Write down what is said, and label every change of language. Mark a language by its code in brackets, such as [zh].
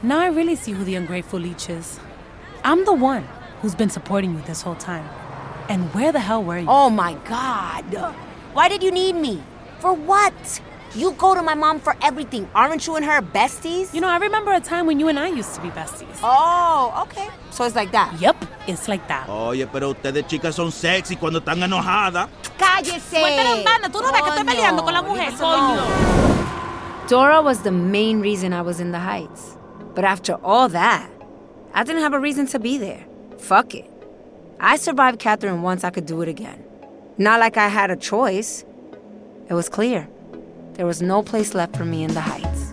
[en] Now I really see who the ungrateful leech is. I'm the one who's been supporting you this whole time. And where the hell were you? Oh my God. Why did you need me? For what? You go to my mom for everything. Aren't you and her besties? You know, I remember a time when you and I used to be besties. Oh, okay. So it's like that? Yep, it's like that. [es] Oye, pero ustedes chicas son sexy cuando están enojadas. ¡Cállese! Tú no ves que estoy peleando con la mujer, coño. [en] Dora was the main reason I was in the Heights. But after all that, I didn't have a reason to be there. Fuck it. I survived Catherine once, I could do it again. Not like I had a choice. It was clear. There was no place left for me in the Heights.